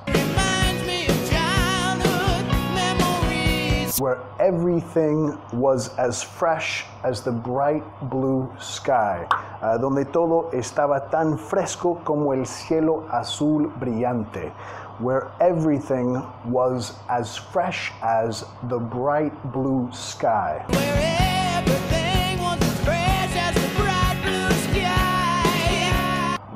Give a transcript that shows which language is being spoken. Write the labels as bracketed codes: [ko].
[en] Reminds me of childhood memories. Where everything was as fresh as the bright blue sky. [es] Donde todo estaba tan fresco como el cielo azul brillante. [en] Where everything was as fresh as the bright blue sky. Where everything was as fresh as the bright blue sky.